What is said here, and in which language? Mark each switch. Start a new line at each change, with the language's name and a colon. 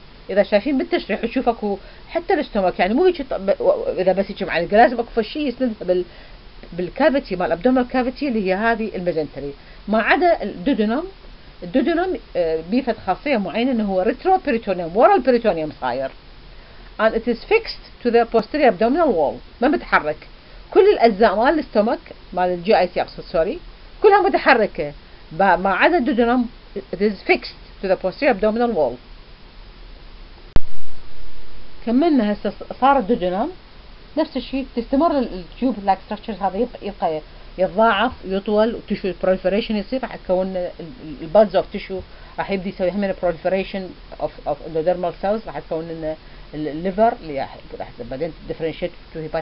Arabic: اذا شايفين بالتشريح تشوف اكو حتى الاستومك يعني مو هيك اذا بس هيك معلق لازم اكو فشي يسندها بالكافيتي مال الابدومينال كافيتي اللي هي هذه الميزنتري ما عدا الدودنوم. الدودنوم بي فد خاصيه معينه انه هو ريترو بريتونيوم ورا البريتونيوم صاير.
English: And it is fixed to the posterior abdominal wall.
Arabic: ما بتحرك. كل الأجزاء مال الاستومك مال الجي اي تي أقصد سوري كلها متحركة. ما عدا الدودنوم
English: it is fixed to the posterior abdominal wall.
Arabic: كملنا هسه صار الدودنوم نفس الشيء تستمر التيوب لايك ستراكشرز هذا يبقى يتضاعف يطول وتشو البروليفريشن يصير راح تكون البادز اوف تشو راح يبدي يسوي همين البروليفريشن اوف الدودرمال سيلز راح تكون لنا الليفر اللي راح بعدين ديفرنشيت تو